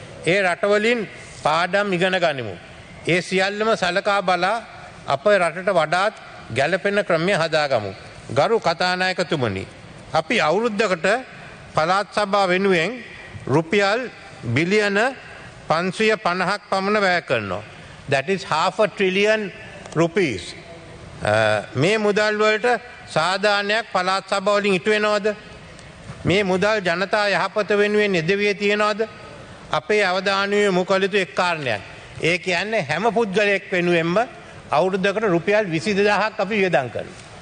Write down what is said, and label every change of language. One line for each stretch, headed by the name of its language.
Sinhala: ඒ රටවලින් පාඩම් ඉගෙන ගනිමු. ඒ සියල්ලම සලකා බලා අප රටට වඩාත් ගැළපෙන ක්‍රමය හදාගමු. ගරු කතානායකතුමනි, අපි අවුරුද්දකට පළාත් සභාව වෙනුවෙන් රුපියල් බිලියන 550ක් පමණ වැය කරනවා.
English: That is half a trillion rupees.
Sinhala: මේ මුදල් වලට සාධාරණයක් පළාත් සභාව වලින් ඉටු වෙනවද? මේ මුදල් ජනතා යහපත වෙනුවෙන් යෙදවියේ තියෙනවද? අපේ අවධානය යොමු කළ යුතු එක් කාරණයක්. ඒ කියන්නේ හැම පුද්ගලයෙක් වෙනුවෙන්ම අවුරුද්දකට රුපියල් 22000ක් අපි වියදම් කරනවා.